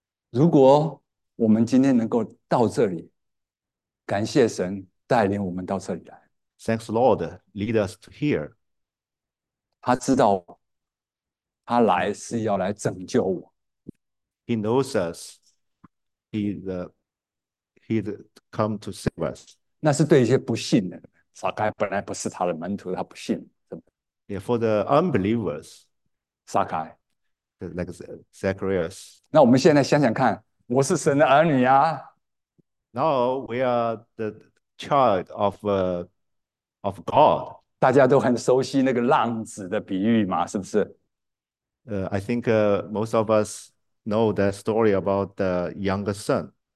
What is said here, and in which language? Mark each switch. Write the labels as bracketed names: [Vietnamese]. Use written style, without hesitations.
[Chinese] 如果我们今天能够到这里，感谢神带领我们到这里来。 [English] Thanks, Lord, lead us to here. [Chinese] 他知道，他来是要来拯救我。 [English] He knows us. He's come to save us. [Chinese] 那是对一些不信的人，撒该本来不是他的门徒，他不信，是不是？ [English] Yeah, for the unbelievers. [Chinese] 撒该。 [English] Like Zacharias. [Chinese] 那我们现在想想看，我是神的儿女啊。 [English] Now we are the child of God. [Chinese] 大家都很熟悉那个浪子的比喻嘛，是不是？ [English] I think most of us know that story about the younger son.